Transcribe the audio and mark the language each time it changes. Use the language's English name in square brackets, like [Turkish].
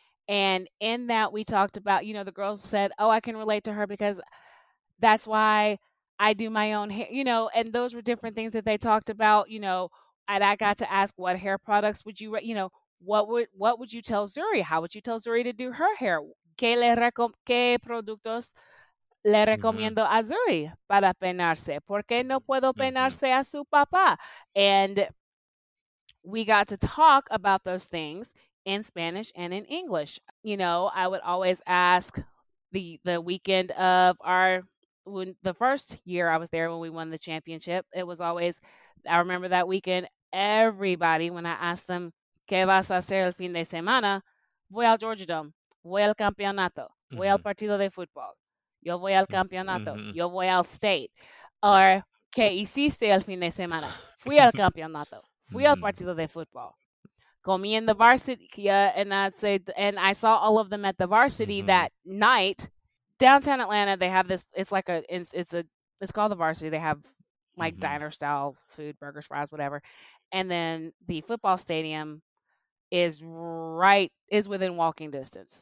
[English] And in that, we talked about, you know, the girls said, oh, I can relate to her because that's why I do my own hair, you know, and those were different things that they talked about, you know, and I got to ask, what hair products would you, you know, what would you tell Zuri? How would you tell Zuri to do her hair? [Spanish] ¿Qué productos le recomiendo a Zuri para peinarse? ¿Por qué no puedo peinarse a su papá? [English] And we got to talk about those things, [Spanish] in Spanish and in English. You know, I would always ask the weekend of the first year I was there when we won the championship, it was always, I remember that weekend, everybody, when I asked them, ¿Qué vas a hacer el fin de semana? Voy al Georgia Dome. Voy al campeonato. Mm-hmm. Voy al partido de fútbol. Yo voy al campeonato. Mm-hmm. Yo voy al state. Or, ¿Qué hiciste el fin de semana? Fui al campeonato. Fui mm-hmm. al partido de fútbol. Comí en the varsity. [English] And I saw all of them at the varsity mm-hmm. that night. Downtown Atlanta, they have this, it's called the varsity. They have like mm-hmm. diner style food, burgers, fries, whatever. And then the football stadium is within walking distance.